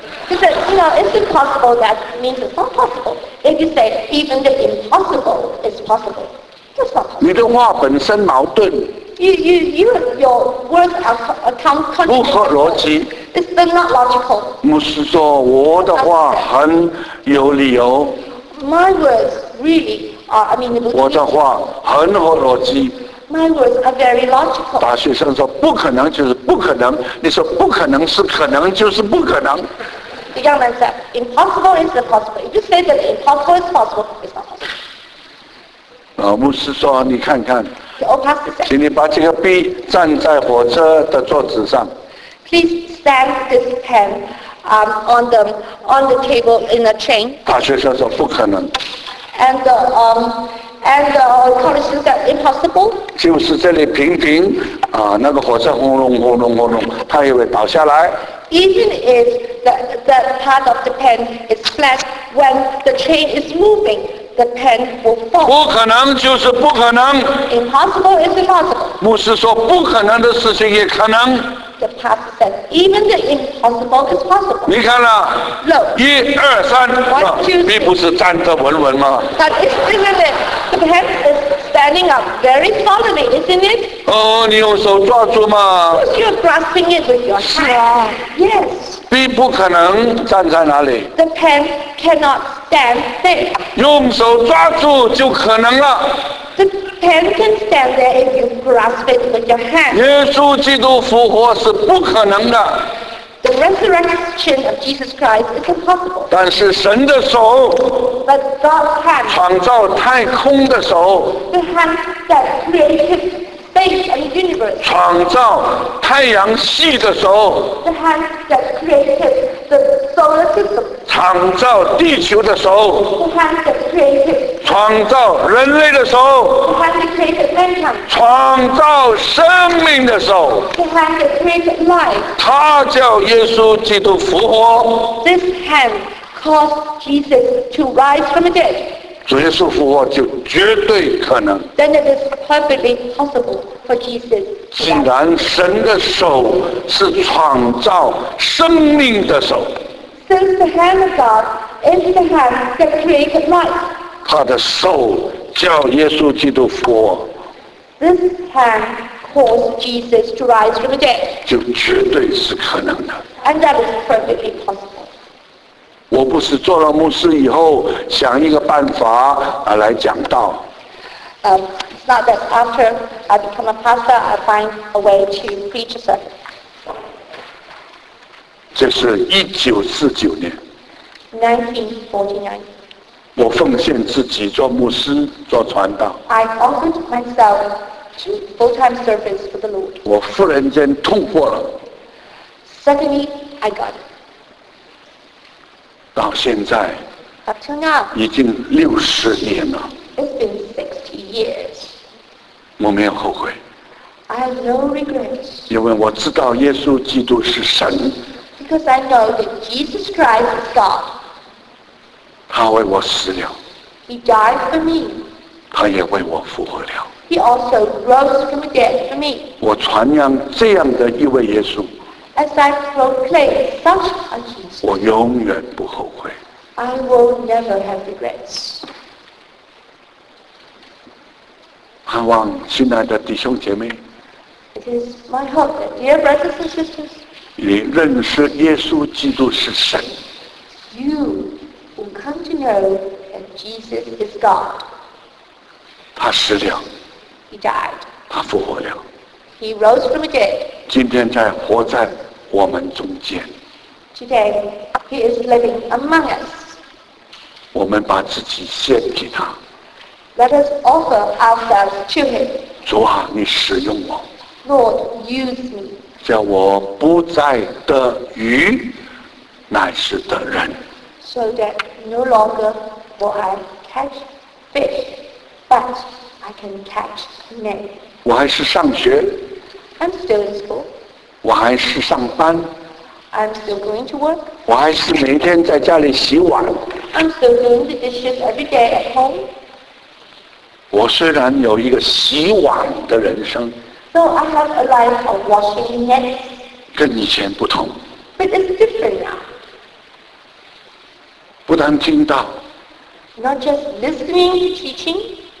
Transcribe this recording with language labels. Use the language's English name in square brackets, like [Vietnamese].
[English] He said, you know, it's impossible. That means it's not possible. If you say even the impossible is possible. [Chinese] 你的话本身矛盾。 [English] You, your words are contradictory. [Chinese] 不合逻辑。 [English] It's still not logical. [Chinese] 牧师说我的话很有理由。 [English] My words really are, [Chinese] The 我的话很合逻辑。 [English] My words are very logical. [Chinese] 大学生说不可能就是不可能，你说不可能是可能就是不可能。 [English] The young man said, "Impossible is impossible. If you say that impossible is possible, it's not possible." [Chinese] 老牧师说：“你看看， [English] said, [Chinese] 请你把这个笔站在火车的座子上。 [English] Please stand this pen, on the table in a train." [Chinese] 大学生说：“不可能。 [English] ”And the college said, "Impossible." [Chinese] 就是这里平平啊，那个火车轰隆轰隆轰隆，他以为倒下来。 [English] Even if the part of the pen is flat, when the train is moving. The pen will fall. [Chinese] 不可能就是不可能。 [English] Impossible is impossible. [Chinese] 牧师说不可能的事情也可能。 [English] The pastor said, even the impossible is possible. [Chinese] 你看了、 [English] 啊。Look. [Chinese] 一二三。并不是站着稳稳吗 [English] ？But isn't it? The pen is standing up very solidly, isn't it? [Chinese] 哦，你用手抓住吗 [English] ？You're grasping it with your hand. [Chinese] 是啊。 [English] Yes. [Chinese] 笔不可能站在哪里。 [English] The pen cannot stand there. [Chinese] 用手抓住就可能了。 [English] The pen can stand there if you grasp it with your hand. [Chinese] 耶稣基督复活是不可能的。 [English] The resurrection of Jesus Christ is impossible. [Chinese] 但是神的手。 [English] But God's hand. [Chinese] 创造太空的手。 [English] The hand that created. Universe, [Chinese] 创造太阳系的时候 [English] the hand that created the solar system, [Chinese] 创造地球的时候 [English] the hand that created, [Chinese] 创造人类的时候 [English] the hand that created mankind, [Chinese] 创造生命的时候 [English] the hand that created life, [Chinese] 他叫耶稣基督复活 [English] This hand caused Jesus to rise from the dead. [Chinese] 主耶稣复活就绝对可能。 [English] Then it is perfectly possible for Jesus. [Chinese] 既然神的手是创造生命的手 [English] ，Since the hand of God is the hand that created life, [Chinese] 他的手叫耶稣基督复活。 [English] This hand caused Jesus to rise from the dead. [Chinese] 就绝对是可能的。 [English] And that is perfectly possible. [Chinese] 我不是做了牧师以后想一个办法来讲道。 [English] It's not that after I become a pastor, I find a way to preach a sermon. [Chinese] 这是1949年。 [English] 1949。 [Chinese] 我奉献自己做牧师做传道。 [English] I offered myself to full-time service for the Lord. [Chinese] 我忽然间突破了。 [English] Suddenly, I got it. [Chinese] 到现在。 [English] Up till now. [Chinese] 已经60年了。 [English] It's been 60 years. [Chinese] 我没有后悔。 [English] I have no regrets. [Chinese] 因为我知道耶稣基督是神。 [English] Because I know that Jesus Christ is God. [Chinese] 他为我死了。 [English] He died for me. [Chinese] 他也为我复活了。 [English] He also rose from the dead for me. [Chinese] 我传扬这样的一位耶稣。 [English] As I proclaim such a Jesus. [Chinese] 我永远不后悔。 [English] I will never have regrets. [Chinese] 盼望亲爱的弟兄姐妹。 [English] It is my hope that dear brothers and sisters. [Chinese] 你认识耶稣基督是神。 [English] You. Come to know that Jesus is God. [Chinese] 他死了。 [English] He died. [Chinese] 他复活了。 [English] He rose from the dead. [Chinese] 今天在活在我们中间。 [English] Today, he is living among us. [Chinese] 我们把自己献给他。 [English] Let us offer ourselves to him. [Chinese] 主啊，你使用我。 [English] Lord, use me. [Chinese] 叫我不再得鱼，乃是得人。 [English] So that no longer will I catch fish, but I can catch men. [Chinese] 我还是上学。 [English] I'm still in school. [Chinese] 我还是上班。 [English] I'm still going to work. [Chinese] 我还是每天在家里洗碗。 [English] I'm still doing the dishes every day at home. [Chinese] 我虽然有一个洗碗的人生。 [English] So I have a life of washing nets. [Chinese] 跟以前不同。 [English] But it's different now. [Chinese] 不但听到 [English] ，not just listening to teaching，